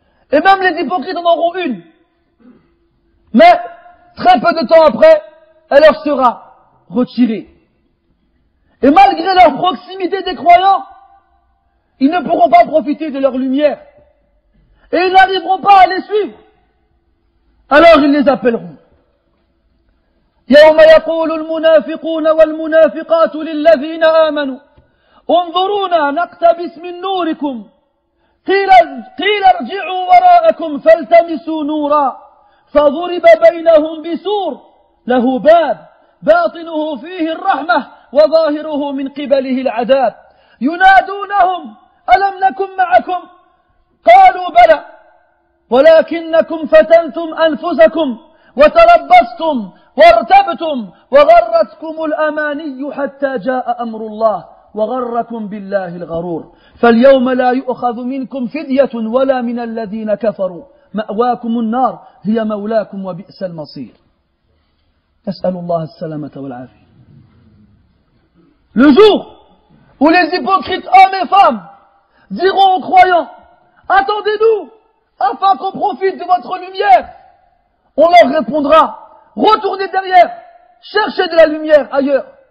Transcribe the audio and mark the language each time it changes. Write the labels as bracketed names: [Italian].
[French] Et même les hypocrites en auront une. Mais très peu de temps après, elle leur sera retirée. Et malgré leur proximité des croyants, ils ne pourront pas profiter de leur lumière. Et ils n'arriveront pas à les suivre. Alors ils les appelleront. [Arabic] يوم يقول المنافقون والمنافقات للذين آمنوا انظرونا نقتبس من نوركم قيل ارجعوا وراءكم فالتمسوا نورا فضرب بينهم بسور له باب باطنه فيه الرحمة وظاهره من قبله العذاب ينادونهم ألم نكن معكم قالوا بلى ولكنكم فتنتم أنفسكم وتربصتم وارتبتم وغرتكم الأماني حتى جاء أمر الله وغركم بالله الغرور فاليوم لا يؤخذ منكم فدية ولا من الذين كفروا مأواكم النار هي مولاكم وبئس المصير أسأل الله السلامة والعافية. [French] Le jour où les hypocrites hommes et femmes diront aux croyants: attendez-nous afin qu'on profite de votre lumière, on leur répondra: retournez derrière, cherchez de la lumière ailleurs.